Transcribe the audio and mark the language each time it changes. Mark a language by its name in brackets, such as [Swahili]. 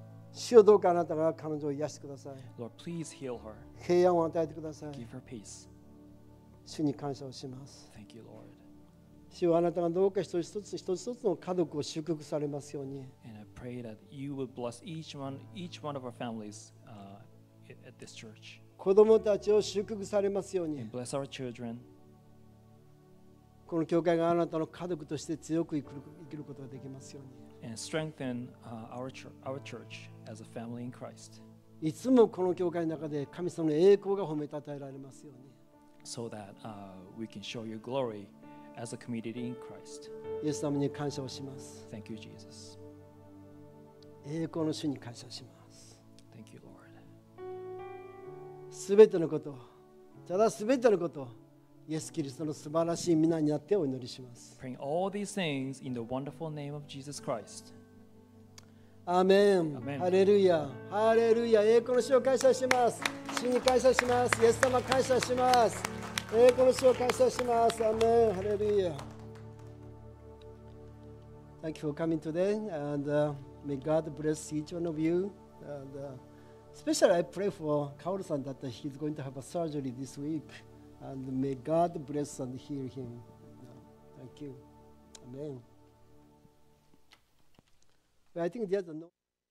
[Japanese] 主よどうかあなたが彼女を癒してください。 [English] Lord, please heal her. [Japanese] 平安を与えてください。 [English] Give her peace. [Japanese] 主に感謝をします。 [English] Thank you, Lord. [Japanese] 主よあなたがどうか一つ一つの家族を祝福されますように。 [English] And I pray that you will bless each one of our families at this church. [Japanese] 子供たちを祝福されますように。 [English] And bless our children. [Japanese] この教会があなたの家族として強く生きることができますように。 [English] And strengthen our church as a family in Christ. [Japanese] いつもこの教会の中で神様の栄光が褒めたたえられますように。 [English] So that we can show your glory as a community in Christ. [Japanese] イエス様に感謝をします。 [English] Thank you, Jesus. [Japanese] 栄光の主に感謝します。 [English] Thank you, Lord. [Japanese] すべてのこと、ただすべてのこと、イエス・キリストの素晴らしい御名によってお祈りします。 [English] Praying all these things in the wonderful name of Jesus Christ. [Japanese] アーメン。ハレルヤ。ハレルヤ。栄光の主を感謝します。主に感謝します。イエス様感謝します。栄光の主を感謝します。アーメン。ハレルヤ。 [English] Thank you for coming today, and may God bless each one of you. And especially I pray for Kaoru-san that he's going to have a surgery this week. And may God bless and heal him. Thank you. Amen. But I think there's no...